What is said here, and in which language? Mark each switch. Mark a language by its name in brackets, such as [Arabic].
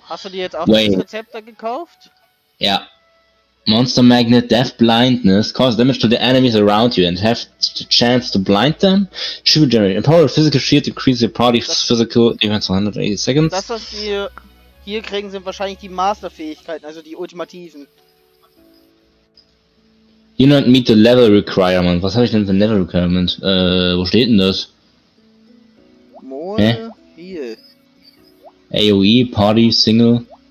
[German] Hast du dir jetzt auch das Rezept da gekauft? Ja. [English] Monster Magnet, Death Blindness, cause damage to the enemies around you and have the chance to blind them. Shield generate. Empower physical shield to increase your party's physical defense 180 seconds. [German] Das, was wir hier kriegen, sind wahrscheinlich die Masterfähigkeiten, also die ultimativen. [English] You don't meet the level requirement. [German] Was habe ich denn für Level Requirement? Wo steht denn das? Hä? [English] AOE, Party, Single.